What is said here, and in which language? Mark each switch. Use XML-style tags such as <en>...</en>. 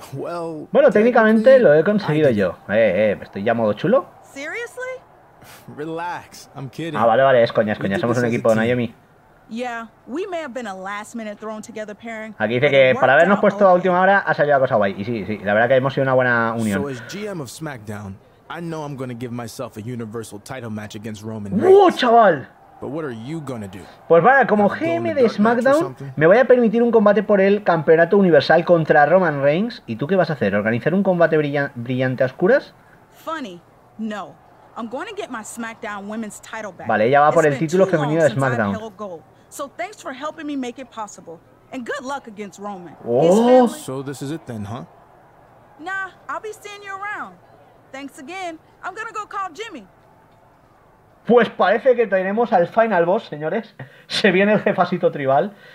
<es>Bueno, técnicamente lo he conseguido yo. ¿Estoy ya modo chulo?</es> <en>Relax, I'm kidding.</en> <es>Ah, vale, vale, es coña, somos un equipo, Naomi.</es> <en>Yeah, we may have been a last minute thrown together pairing.</en> <es>Aquí dice que para habernos puesto a última hora ha salido la cosa guay. Y sí, sí, la verdad que hemos sido una buena unión.</es> <en>So as GM of SmackDown, I know I'm gonna give myself a universal title match against Roman.</en> <es>¡Wow, chaval!</es> <en>But what are you gonna do?</en> <es>Pues vale, como GM de SmackDown, me voy a permitir un combate por el campeonato universal contra Roman Reigns. ¿Y tú qué vas a hacer? ¿Organizar un combate brillante a oscuras?</es> <en>Funny, no. I'm going to get my SmackDown Women's title back.</en> <es>Vale, ella va por el título femenino de SmackDown.</es> <en>So thanks for helping me make it possible. And good luck against Roman. Oh, so this is it then, huh? Nah, I'll be seeing you around. Thanks again. I'm going to go call Jimmy.</en> <es>Pues parece que tenemos al final boss, señores. Se viene el jefacito tribal.</es>